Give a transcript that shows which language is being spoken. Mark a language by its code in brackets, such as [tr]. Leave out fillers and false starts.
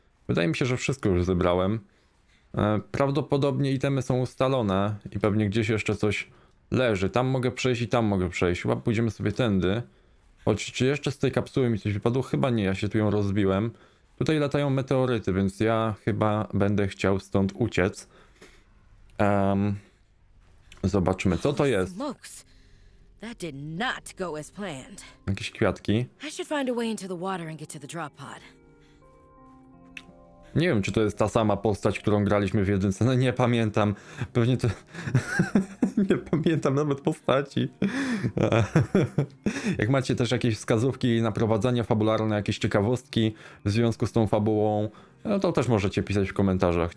[pl] Wydaje mi się, że wszystko już zebrałem. Prawdopodobnie itemy są ustalone i pewnie gdzieś jeszcze coś leży. Tam mogę przejść i tam mogę przejść. Chyba pójdziemy sobie tędy. Choć czy jeszcze z tej kapsuły mi coś wypadło? Chyba nie, ja się tu ją rozbiłem. Tutaj latają meteoryty, więc ja chyba będę chciał stąd uciec. Zobaczmy, co to jest. [en] That did not go as planned. [pl] Jakieś kwiatki. [en] I should find a way into the water and get to the drop pod. [pl] Nie wiem, czy to jest ta sama postać, którą graliśmy w jedynce. No nie pamiętam. Pewnie to... nie pamiętam nawet postaci. Jak macie też jakieś wskazówki na prowadzenie fabularne, jakieś ciekawostki w związku z tą fabułą, no to też możecie pisać w komentarzach.